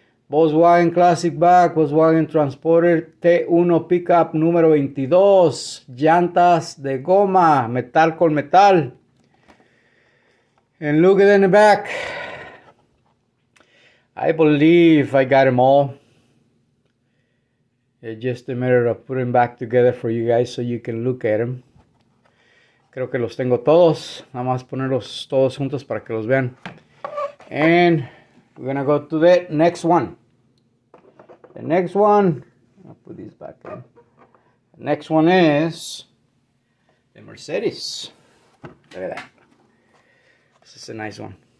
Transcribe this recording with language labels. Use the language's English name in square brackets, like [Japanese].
[Spanish] Volkswagen Classic Bug, Volkswagen Transporter, T1 Pickup número 22, llantas de goma, metal con metal. [English] And look at it in the back. I believe I got them all. It's just a matter of putting them back together for you guys so you can look at them. [Spanish] Creo que los tengo todos. Nada más ponerlos todos juntos para que los vean. [English] And we're going to go to the next one. The next one, I'll put this back in. The next one is the Mercedes. Look at that. This is a nice one.